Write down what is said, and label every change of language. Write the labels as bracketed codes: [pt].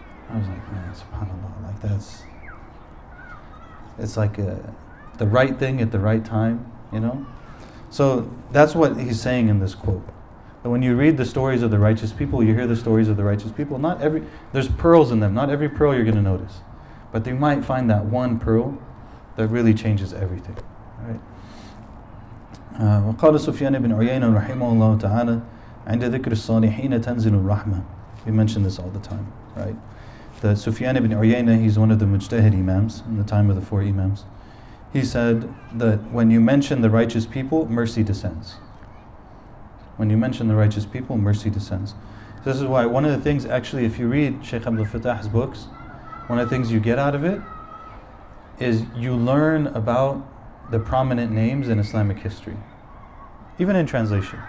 [en] I was like, man, subhanAllah, like that's, it's like a, the right thing at the right time, you know? So that's what he's saying in this quote. That when you read the stories of the righteous people, you hear the stories of the righteous people, not every, there's pearls in them, not every pearl you're going to notice. But you might find that one pearl that really changes everything. [ar] وقال سفيان بن عيينة رحمه الله تعالى عند ذكر الصالحين تنزل الرحمة. [en] We mention this all the time, right? The Sufyan ibn Uyayna, he's one of the Mujtahid Imams in the time of the four Imams. He said that when you mention the righteous people, mercy descends. When you mention the righteous people, mercy descends. This is why one of the things, actually, if you read Shaykh Abdul Fattah's books, one of the things you get out of it is you learn about the prominent names in Islamic history. Even in translation.